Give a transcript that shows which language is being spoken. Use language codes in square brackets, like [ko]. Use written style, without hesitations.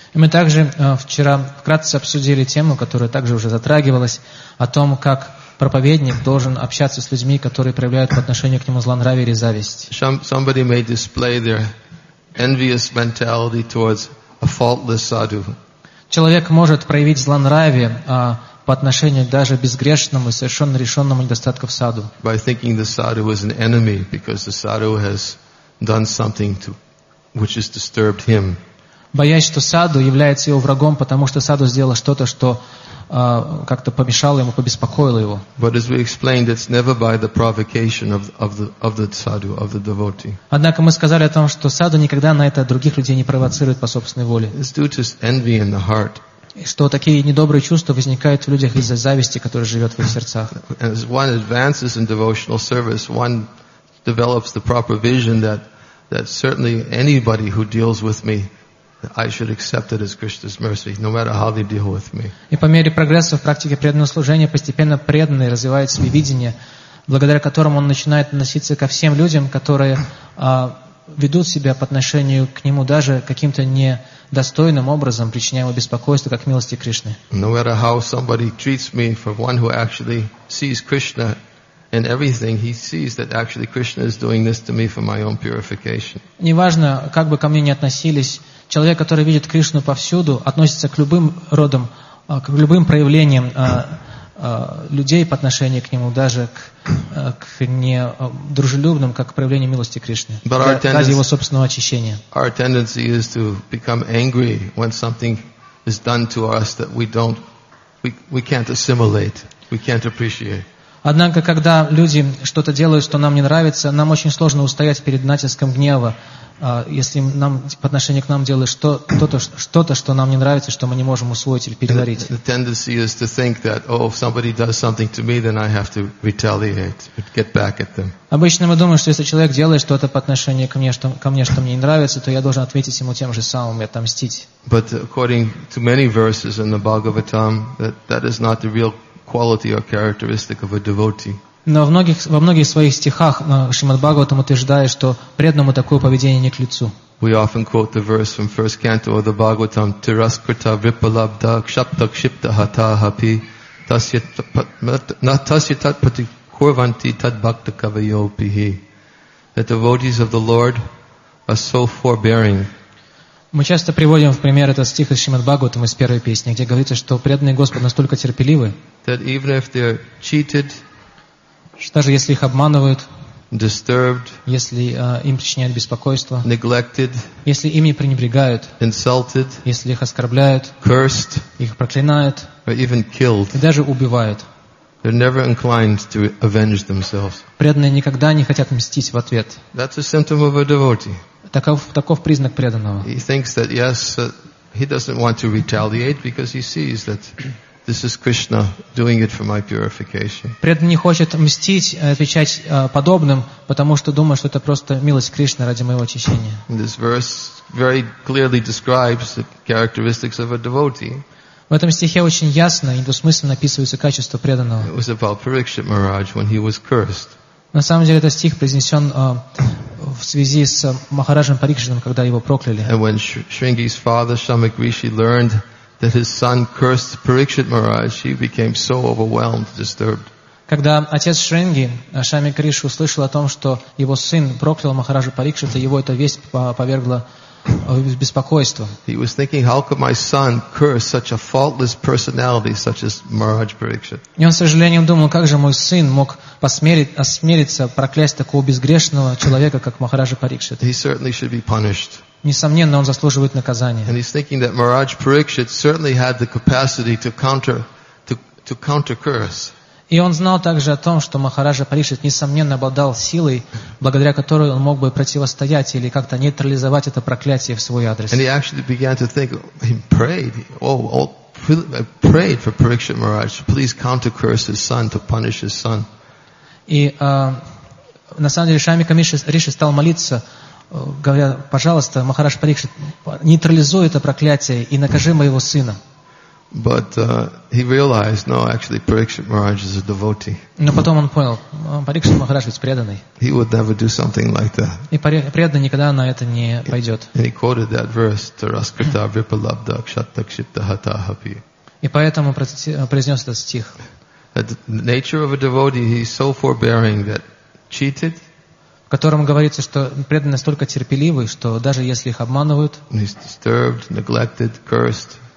[ru] Мы также вчера вкратце обсудили тему, которая также уже затрагивалась, о том, как проповедник должен общаться с людьми, которые проявляют по отношению к нему злонравие или зависть. [en] Somebody may display their envious mentality towards a faultless sadhu. [ru] Человек может проявить злонравие по отношению к даже безгрешному и совершенно решенному недостатку в саду. [en] By thinking the sadhu is an enemy because the sadhu has done something to which has disturbed him. [ru] Боясь, что саду является его врагом, потому что саду сделало что-то, что как-то помешало ему, побеспокоило его. [en] But as we explained, it's never by the provocation of the sadhu, of the devotee. [ru] Однако мы сказали о том, что саду никогда на это других людей не провоцирует по собственной воле. [en] It's due to envy in the heart. [ru] Что такие недобрые чувства возникают в людях из-за зависти, которая живет в их сердцах. [en] As one advances in devotional service, one develops the proper vision that certainly anybody who deals with me, I should accept it as Krishna's mercy, no matter how they deal with me. [ru] И по мере прогресса в практике преданного служения постепенно преданный развивает свое видение, благодаря которому он начинает относиться ко всем людям, которые ведут себя по отношению к нему даже каким-то недостойным образом, причиняя ему беспокойство, как милости Кришны. [en] No matter how somebody treats me, for one who actually sees Krishna and everything, he sees that actually Krishna is doing this to me for my own purification. [ru] Неважно, как бы ко мне ни относились, человек, который видит Кришну повсюду, относится к любым родам, к любым проявлениям людей по отношению к нему, даже к недружелюбным, как проявление милости Кришны, ради его собственного очищения. [en] Our tendency is to become angry when something is done to us that we can't assimilate, we can't appreciate. [ru] Однако, когда люди что-то делают, что нам не нравится, нам очень сложно устоять перед натиском гнева, если нам по отношению к нам делают что-то, что нам не нравится, что мы не можем усвоить или переварить. [en] The tendency is to think that, oh, if somebody does something to me, then I have to retaliate, get back at them. [ru] Обычно мы думаем, что если человек делает что-то по отношению ко мне, что мне не нравится, то я должен ответить ему тем же самым и отомстить. [en] But according to many verses in the Bhagavatam, that is not the real quality or characteristic of a devotee. [ru] Но во многих своих стихах Шримад Бхагаватам утверждает, что преданному такое поведение не к лицу. [en] We often quote the verse from first canto of the Bhagavatam: [sa] Tiraskrita vipalabdha kshapta kshipta hatahapi tasya tat pati kurvanti tad bhakta kavayopihi. [en] The devotees of the Lord are so forbearing. [ru] Мы часто приводим в пример этот стих из Шримад Бхагаватам из первой песни, где говорится, что преданный Господь настолько терпеливы, [en] that even if they're cheated, [ru] что даже если их обманывают, [en] disturbed, [ru] если им причиняют беспокойство, [en] neglected, [ru] если ими пренебрегают, [en] insulted, [ru] если их оскорбляют, [en] cursed, [ru] их проклинают, [en] or even killed, [ru] и даже убивают, [en] they're never inclined to avenge themselves. [ru] Преданные никогда не хотят мстить в ответ. [en] That's a symptom of a devotee. [ru] Таков признак преданного. [en] He thinks that yes, he doesn't want to retaliate because he sees that this is Krishna doing it for my purification. [ru] Преданный не хочет мстить, отвечать подобным, потому что думает, что это просто милость Кришны ради моего очищения. [en] This verse very clearly describes the characteristics of a devotee. [ru] В этом стихе очень ясно и недвусмысленно описываются качества преданного. [en] It was about Parikshit Maharaj when he was cursed. [ru] На самом деле, этот стих произнесен в связи с Махараджем Парикшитом, когда его прокляли. [en] And when Sringi's father, Shamik Rishi, learned that his son cursed Parikshit Maharaj, he became so overwhelmed, disturbed. [ru] Когда отец Шринги, Шамик Риши, услышал о том, что его сын проклял Махараджа Парикшита, его эта весть повергла в беспокойство. [en] He was thinking, how could my son curse such a faultless personality such as Maharaj Parikshit? [ru] И он, с сожалением, думал, как же мой сын мог осмелиться проклясть такого безгрешного человека, как Махараджа Парикшит? [en] He certainly should be punished. [ru] Несомненно, он заслуживает наказания. [en] And he's thinking that Maharaj Parikshit certainly had the capacity to counter curse. [ru] И он знал также о том, что Махараджа Парикшит несомненно обладал силой, благодаря которой он мог бы противостоять или как-то нейтрализовать это проклятие в свой адрес. [en] And he actually began to think, he prayed, I prayed for Parikshit Maharaj to please counter curse his son, to punish his son. [ru] И на самом деле Шамика Риши стал молиться, говоря: пожалуйста, Махарадж Парикшит, нейтрализуй это проклятие и накажи моего сына. [en] But he realized, no, actually, Parikshit Maharaj is a devotee. [ru] Но потом он понял, Парикшит Махарадж ведь преданный. [en] He would never do something like that. [ru] И преданный никогда на это не пойдет. [en] And he quoted that verse: [sa] Tiraskrita vipalabdha kshatta kshipta hatahapi. [ru] И поэтому произнес этот стих. [en] The nature of a devotee, he's so forbearing that cheated, [ru] в котором говорится, что преданные настолько терпеливы, что даже если их обманывают, [en] he's disturbed, neglected, cursed,